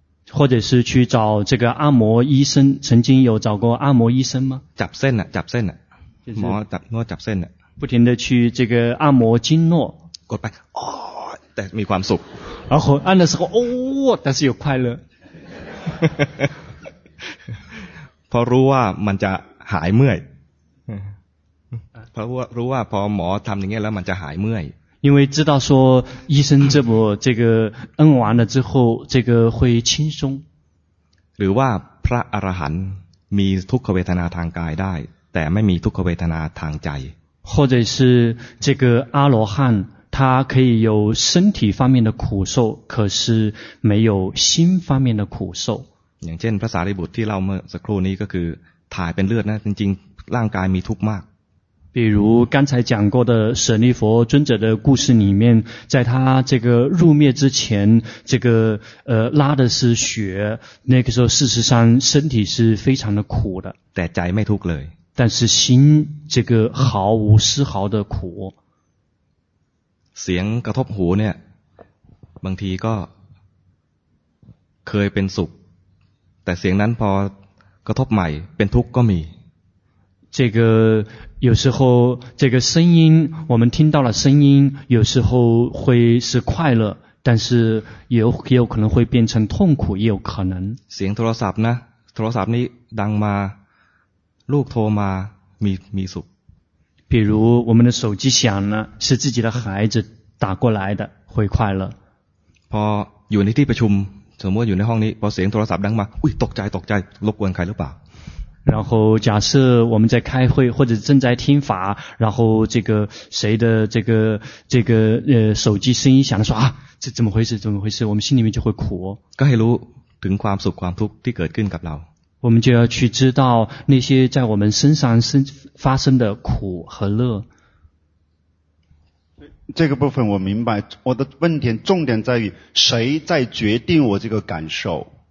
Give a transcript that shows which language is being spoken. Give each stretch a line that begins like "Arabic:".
Chinese: 或者是去找这个按摩医生，曾经有找过按摩医生吗？
Thai: จับเส้นอ่ะ จับเส้นอ่ะ หมอจับนวดจับเส้นอ่ะ
Chinese: 不停的去这个按摩经络。
Thai: กดไป哦，แต่มีความสุข。
Chinese: 然后按的时候，哦，但是有快乐。
Thai: พอรู้ว่ามันจะหายเมื่อย。 พอรู้ว่าพอหมอทำอย่างนี้แล้วมันจะหายเมื่อย。
Chinese: 因为知道说医生这么这个摁完了之后，这个会轻松。
Thai: หรือว่าพระอรหันต์มีทุกขเวทนาทางกายได้แต่ไม่มีทุกขเวทนาทางใจ。
Chinese: 或者是这个阿罗汉。他可以有身体方面的苦受，可是没有心方面的苦受。
Thai: อย่างเช่นพระสารีบุตรที่เราเมื่อสักครู่นี้ก็คือถ่ายเป็นเลือดนะจริงๆร่างกายมีทุกข์มาก。
Chinese: 比如刚才讲过的舍利弗尊者的故事里面，在他这个入灭之前，这个拉的是血，那个时候事实上身体是非常的苦的。
Thai: แต่ใจไม่ทุกข์เลย。
Chinese: 但是心这个毫无丝毫的苦。
Thai: เสียงกระทบหูเนี่ยบางทีก็เคยเป็นสุขแต่เสียงนั้นพอกระทบใหม่เป็นทุกข์ก็มี
Chinese: 这个有时候这个声音我们听到了声音有时候会是快乐但是也有可能会变成痛苦也有可能
Thai: เสียงโทรศัพท์นะโทรศัพท์นี้ดังมาลูกโทรมามีสุข
Chinese: 比如我们的手机响了是自己的孩子打过来的会快乐
Thai: พออยู่ในที่ประชุมสมมติอยู่ในห้องนี้พอเสียงโทรศัพท์ดังมาอุ้ยตกใจรบกวนใครหรือเปล่า
Chinese: 然后假设我们在开会或者正在听法，然后这个谁的这个手机声音响了，说啊，这怎么回事？怎么回事？我们心里面就会苦。
Thai: ก็ให้รู้ถึงความสุขความทุกข์ที่เกิดขึ้นกับเรา。
Chinese: 我们就要去知道那些在我们身上发生的苦和乐。这个部分我明白，我的问题重点在于谁在决定我这个感受？